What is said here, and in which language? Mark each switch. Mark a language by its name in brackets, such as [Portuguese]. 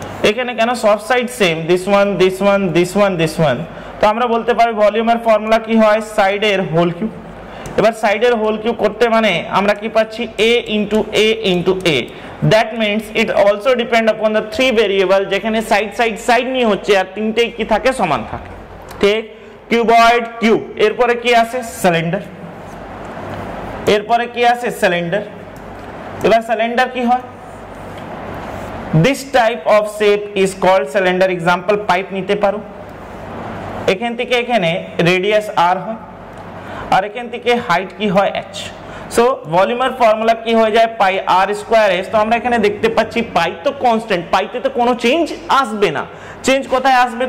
[Bangla] এখানে কেন সব side same this one this one this one this one তো আমরা বলতে পারি ভলিউমের ফর্মুলা কি হয় সাইডের হোল কিউব এবার সাইডের হোল কিউব করতে মানে আমরা কি পাচ্ছি এ into a into a [English] that means it also depend upon the three variable [Bangla] যেখানে সাইড সাইড সাইড নিয়ে হচ্ছে আর তিনটে কি থাকে সমান থাকে ঠিক কিউবয়েড কিউব এরপরে কি আসে সিলিন্ডার এরপরে কি আছে সিলিন্ডার এবার সিলিন্ডার কি হয় [English] This type of shape is called cylinder. [Bangla] Example, pipe নিতে পারো। এখান থেকে এখানে radius r হয়, আর এখান থেকে height কি হয় h। So volume এর formula কি হয়ে যায়? Pi r square s। তো আমরা এখানে দেখতে পাচ্ছি pi তো constant, pi তে তো কোনো change আসবে না। Change কোথায় আসবে?